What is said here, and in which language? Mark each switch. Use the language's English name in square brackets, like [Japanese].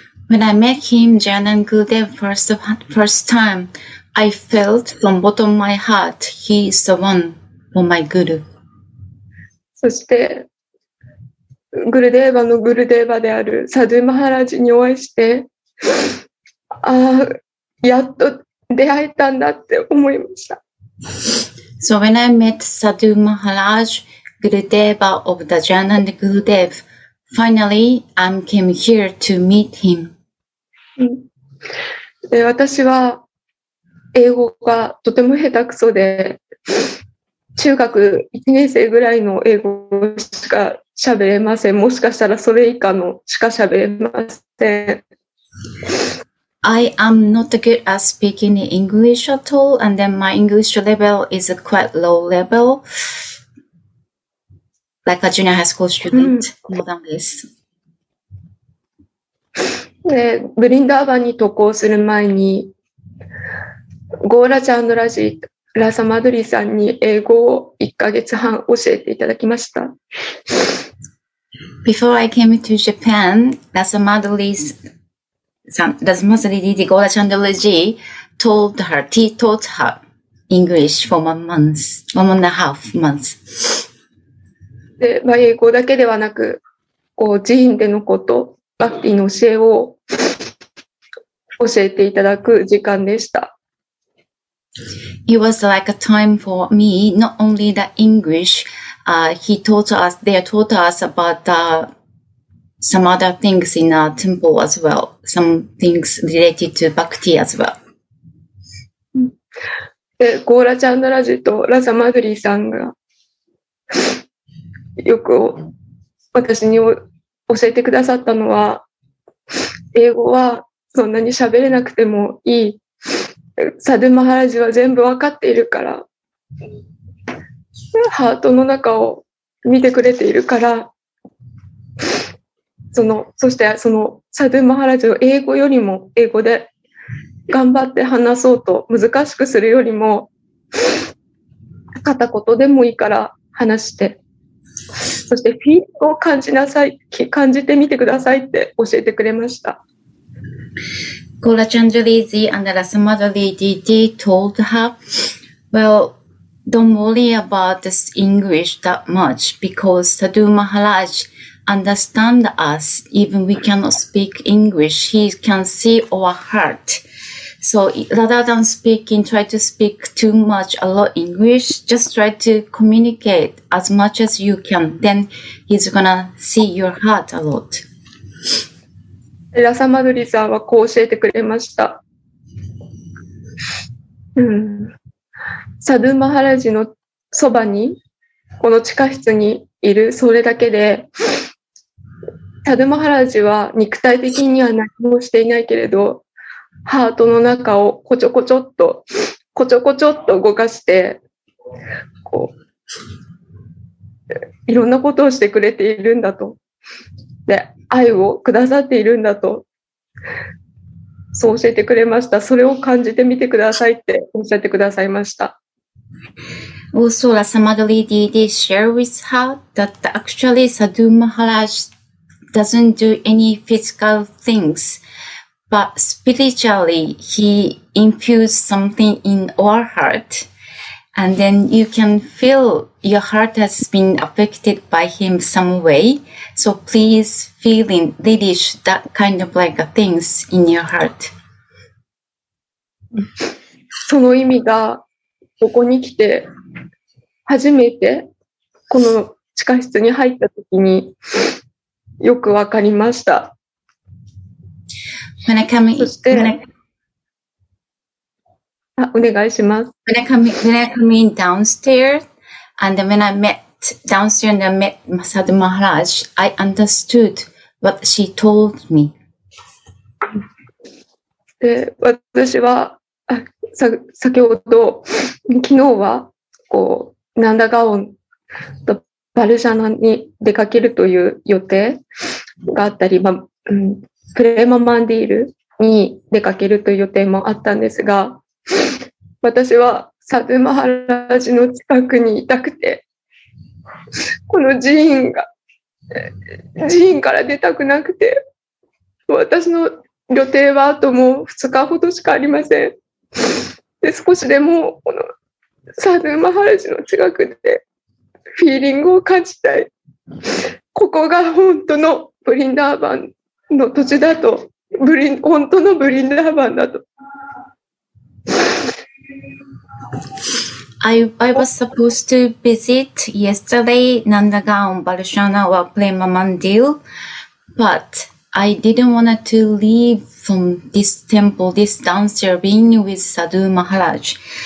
[English] When I met him, ジャーナンダグルデーバ first time, I felt from bottom my heart he is the one for my guru. [Japanese] そしてグルデーバのグルデーバであるサドゥマハラジにお会いして、やっと出会えたんだって思いました。 [English] So when I met Sadhu Maharaj, Gurudeva of the Jananda Gurudev, finally I came here to meet him. [Japanese] で、私は英語がとても下手くそで、中学1年生ぐらいの英語しか喋れません。もしかしたらそれ以下のしか喋れません。 [English] I am not good at speaking English at all, and then my English level is a quite low level, like a junior high school student, more than this. [Japanese] ブリンダーバンに渡航する前に、ゴーラチャンドラジー、ラサマドリーさんに英語を1ヶ月半教えていただきました。 [English] Before I came to Japan, ラサマドリーさん、Dasyam Didi Gola Chandra Ji taught her English for 1 month, 1.5 months. [Japanese] で、まあ、英語だけではなく、こう、寺院でのこと、バッティの教えを教えていただく時間でした。 [English] It was like a time for me, not only the English,they taught us about some other things in our temple as well, some things related to bhakti as well. [Japanese] で、ゴーラチャンドラジとラザマドリーさんがよく私に教えてくださったのは、英語はそんなに喋れなくてもいい。サドゥマハラジは全部わかっているから、ハートの中を見てくれているから、そしてそのサドゥマハラジを英語よりも、英語で頑張って話そうと難しくするよりも、片言でもいいから話して、そしてフィールを感じなさい、感じてみてくださいって教えてくれました。 [English] ゴラチャンドリーゼアンダラサマドリーディーディー told her, well, don't worry about this English that much, because Sadhu Maharaj understand us, even we cannot speak English, he can see our heart. So rather than speaking, try to speak too much, a lot English, just try to communicate as much as you can, then he's gonna see your heart a lot. [Japanese] ラサマドリさんはこう教えてくれました、サドゥマハラジのそばに、この地下室にいる、それだけで、サドゥマハラジは肉体的には何もしていないけれど、ハートの中をこちょこちょっと動かして、こういろんなことをしてくれているんだと、で愛をくださっているんだと、そう教えてくれました。それを感じてみてくださいっておっしゃってくださいました。 [English] Also, Rasa Madhuri Didi shared with her that actually Sadhu Maharaj doesn't do any physical things, but spiritually he infused something in our heart, and then you can feel your heart has been affected by him some way. So please. Feeling, relish that kind of like things in your heart. [Japanese] その意味がここに来て初めてこの地下室に入った時によくわかりました。 [English] When I come in, [Japanese] そして、お願いします。 [English] When I come in downstairs, and then when I met downstairs and I met Sadhu Maharaj, I understood. What she told me. [Japanese] で、私は先ほど、昨日はこうナンダガオンとバルシャナに出かけるという予定があったり、まあプレーママンディールに出かけるという予定もあったんですが、私はサドゥマハラジの近くにいたくて、この寺院が寺院から出たくなくて、私の予定はあともう2日ほどしかありません。で、少しでもこのサドゥマハラジの近くでフィーリングを感じたい、ここが本当のブリンダーバンの土地だと、本当のブリンダーバンだと。 [English] I was supposed to visit yesterday Nandagaon Balshana or Prema Mandir, but I didn't want to leave from this temple, this dancer being with Sadhu Maharaj.